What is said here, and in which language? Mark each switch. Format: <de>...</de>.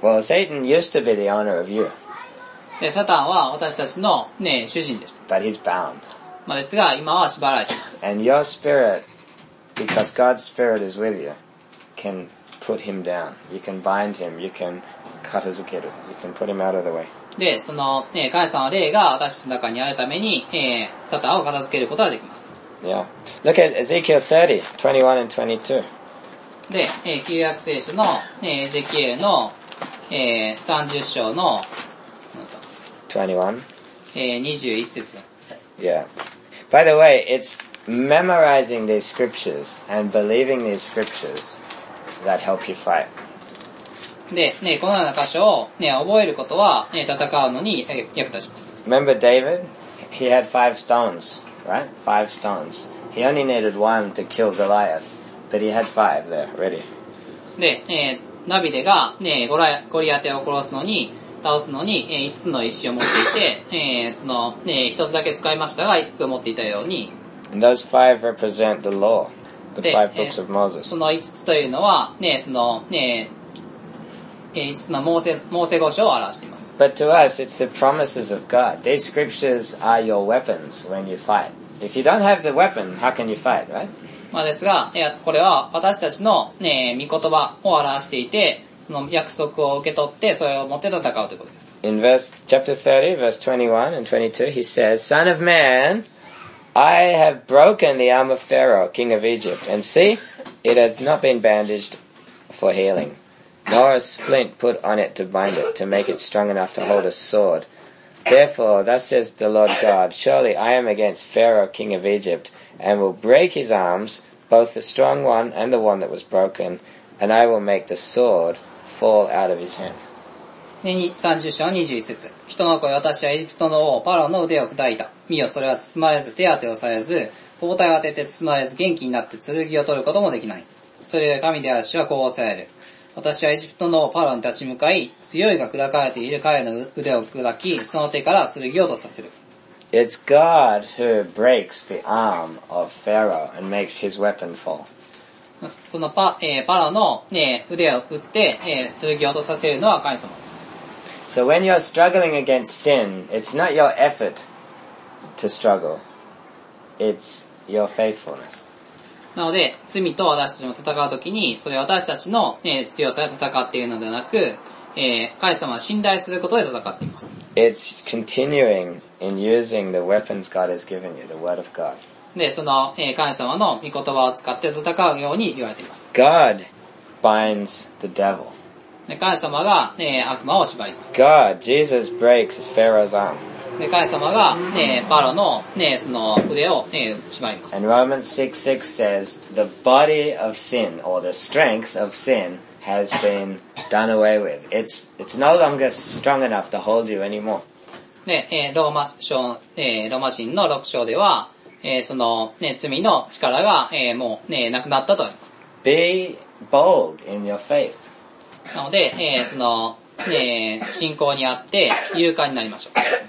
<en>Well, Satan used to be the owner of you.</en> <ja>で、サタンは私たちの、ね、主人でした。</ja> <en>But he's bound.</en> <ja>まあですが、今は縛られています。</ja> <en>And your spirit, because God's spirit is with you, can put him down. You can bind him, you can cut his kettle, you can put him out of the way.</en> <ja>で、その、ね、神様の霊が私たちの中にあるために、サタンを片付けることができます。</ja> <en>Yeah. Look at Ezekiel 30, 21 and 22.</en> <ja>で、旧約聖書の、エゼキエルの、30章の、</ja> <en>21.</en> <ja>21節。</ja> <en>Yeah. By the way, it's memorizing these scriptures and believing these scriptures that help you fight.</en> <ja>で、ね、このような箇所を、ね、覚えることは、ね、戦うのに役立ちます。</ja> <en>Remember David? He had five stones, right? Five stones. He only needed one to kill Goliath, but he had five there, ready.</en> <ja>で、ダビデが、ね、ゴリアテを殺すのに、倒すのに、5つの石を持っていて、その、ね、1つだけ使いましたが、5つを持っていたように。</ja> <en>And those five represent the law, the five books of Moses.</en> <ja>その5つというのは、ね、その、ね、5つのモーセ御書を表しています。</ja> <en>But to us, it's the promises of God. These scriptures are your weapons when you fight. If you don't have the weapon, how can you fight, right?</en> <ja>まあですが、これは私たちの、ね、御言葉を表していて、その約束を受け取って、それを持って戦うということです。</ja> <en>In verse, chapter 30, verse 21 and 22, he says, Son of man, I have broken the arm of Pharaoh, king of Egypt, and see, it has not been bandaged for healing. Nor a splint put on it to bind it, to make it strong enough to hold a sword. Therefore, thus says the Lord God, Surely I am against Pharaoh, king of Egypt, and will break his arms, both the strong one and the one that was broken, and I will make the sword fall out of his hand.</en> <ja>30章21節。人の声、私はエジプトの王、パロの腕を砕いた。見よ、それは包まれず、手当てをされず、包帯を当てて包まれず、元気になって剣を取ることもできない。それが神である主はこう抑える。私はエジプトのパロに立ち向かい、強いが砕かれている彼の腕を砕き、その手から剣を落とさせる。</ja> <en>It's God who breaks the arm of Pharaoh and makes his weapon fall.</en> <ja>そのパロの、ね、腕を打って、剣を落とさせるのは神様です。</ja> <en>So when you're struggling against sin, it's not your effort to struggle. It's your faithfulness.</en> <ja>なので、罪と私たちも戦うときに、それは私たちの、強さで戦っているのではなく、神様は信頼することで戦っています。</ja> <en>It's continuing in using the weapons God has given you, the word of God.</en> <ja>で、その、神様の御言葉を使って戦うように言われています。</ja> <en>God binds the devil.</en> <ja>で、神様が、悪魔を縛ります。</ja> <en>God, Jesus breaks Pharaoh's arm.</en> <ja>で、神様が、パロの、その腕を、縛ります。</ja> <en>And Romans 6:6 says, The body of sin, or the strength of sin, has been done away with. It's no longer strong enough to hold you anymore.</en> <ja>で、ローマ人の6章では、その、罪の力が、もう、なくなったとあります。</ja> <en>Be bold in your faith.</en> <ja>なので、その、信仰にあって勇敢になりましょう。</ja>